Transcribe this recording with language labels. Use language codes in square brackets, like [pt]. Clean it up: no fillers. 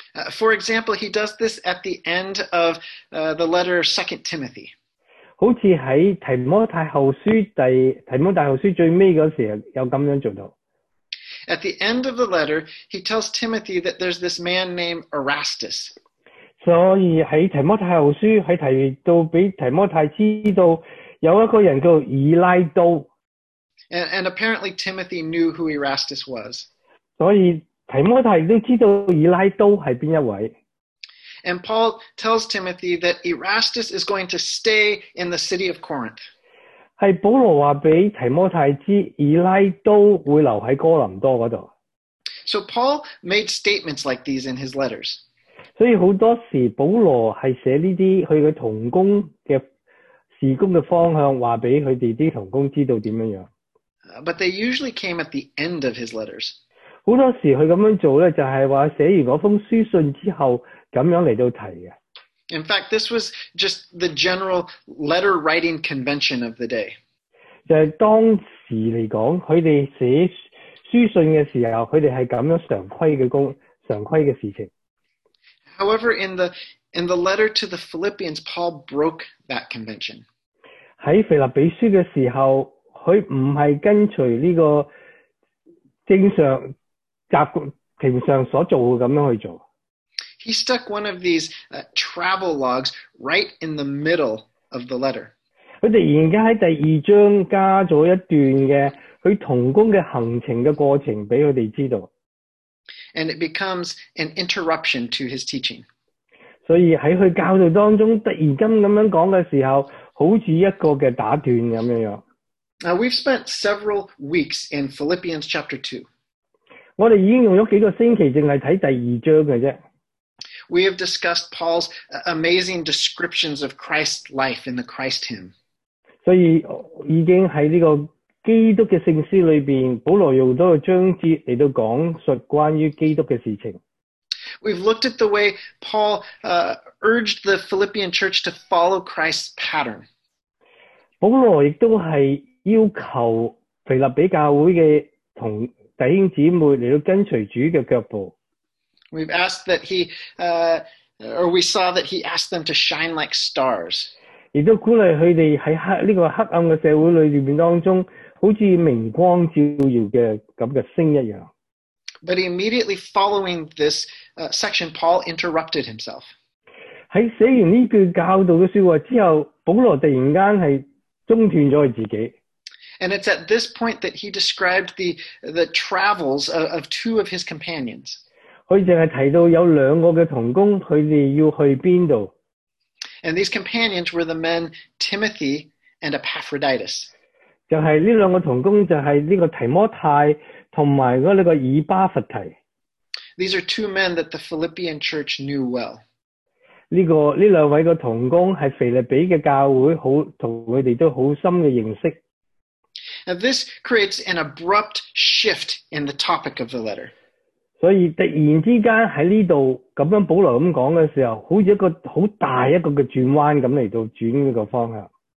[en] For example, he does this at the end of the letter 2 Timothy. [yue] 好似喺提摩太后书最尾嗰时有咁样做到。 [en] At the end of the letter, he tells Timothy that there's this man named Erastus. [yue] 所以喺提摩太后书喺提到俾提摩太知道有一个人叫以拉都。 [en] And apparently Timothy knew who Erastus was. [yue] 所以提摩太都知道以拉都是哪一位。 [en] And Paul tells Timothy that Erastus is going to stay in the city of Corinth. [yue] 是保罗告诉提摩太知以拉都会留在哥林多那里。 [en] So Paul made statements like these in his letters. [yue] 所以很多时候保罗是写这些他的同工的事工的方向告诉他们的同工知道怎样。 [en] But they usually came at the end of his letters. [yue] 很多时候他这样做呢，就是说写完那封书信之后这样来到提的。 [en] In fact, this was just the general letter writing convention of the day. [yue] 就是当时来讲，他们写书信的时候，他们是这样常规的事情。 [en] However, in the letter to the Philippians, Paul broke that convention. [yue] 在腓立比书的时候，他不是跟随这个正常平常所做的这样去做。 [en] He stuck one of these travel logs right in the middle of the letter. [yue] 他突然间在第二章加了一段的他同工的行程的过程给他们知道。 [en] And it becomes an interruption to his teaching. [yue] 所以在他教导当中突然间这样讲的时候，好像一个打断这样。 [en] Now we've spent several weeks in Philippians chapter 2. [yue] 我们已经用了几个星期只是看第二章而已。 [en] We have discussed Paul's amazing descriptions of Christ's life in the Christ hymn. [yue] 所以已经在这个基督的圣诗里面，保罗用了一个章节来到讲述关于基督的事情。 [en] We've looked at the way Paul urged the Philippian church to follow Christ's pattern. [yue] 保罗也是要求腓立比教会的同弟兄姊妹来跟随主的脚步。 [en] We've asked that he, or we saw that he asked them to shine like stars. [yue] 也都鼓励他们在这个黑暗的社会里面当中，好像明光照耀的这样的星一样。 [en] But immediately following this section, Paul interrupted himself. [yue] 在写完这句教导的说话之后，保罗突然间是中断了自己。 [en] And it's at this point that he described the travels of two of his companions. [yue] 他只是提到有两个的同工，他们要去哪里。 [en] And these companions were the men Timothy and Epaphroditus. [yue] 就是这两个同工，就是这个提摩太和这个以巴弗提。 [en] These are two men that the Philippian church knew well. [yue] 这两位的同工是腓立比的教会，和他们都很深的认识。 [en] Now this creates an abrupt shift in the topic of the letter. [yue] 所以突然之间在这里，保罗这么讲的时候，好像一个很大一个的转弯，这么来到转这个方向。